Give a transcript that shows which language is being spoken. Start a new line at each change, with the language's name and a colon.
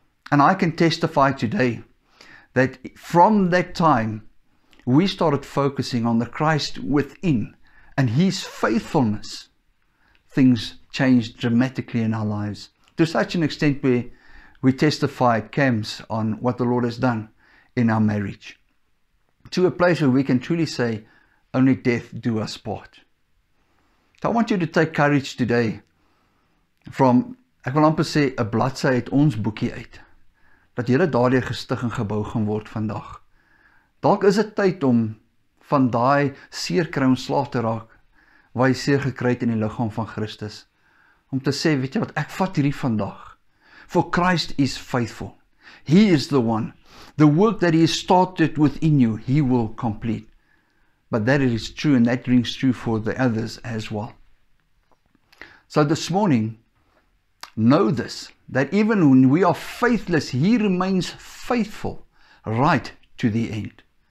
English: And I can testify today that from that time, we started focusing on the Christ within and His faithfulness. Things changed dramatically in our lives, to such an extent where we testify at camps on what the Lord has done in our marriage, to a place where we can truly say, only death do us part. So I want you to take courage today from,
Afrikaans: ek wil amper sê, 'n bladsy uit ons boekie uit, dat jy daardeur gestig en gebou gaan word vandag. Dalk is dit tyd om van daai seerkry ontslaaf te raak, waar jy seer gekry het in die liggaam van Christus, om te sê, weet jy wat, ek vat hierdie vandag.
English: For Christ is faithful. He is the one. The work that He has started within you, He will complete. But that is true, and that rings true for the others as well. So this morning, know this, that even when we are faithless, He remains faithful right to the end.